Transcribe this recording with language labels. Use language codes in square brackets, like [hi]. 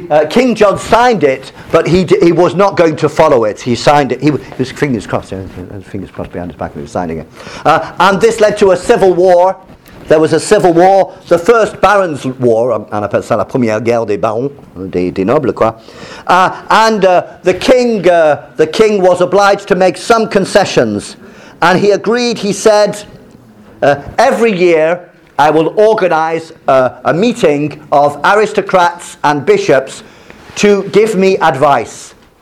[en] King John signed it, but he was not going to follow it. He signed it. His fingers crossed. His fingers crossed behind his back, and he was signing it. And this led to a civil war. There was a civil war, the first barons' war. [fr] On appelle ça la première guerre des barons, des nobles, quoi. [en] The king was obliged to make some concessions, and he agreed. He said, every year I will organize a meeting of aristocrats and bishops to give me advice.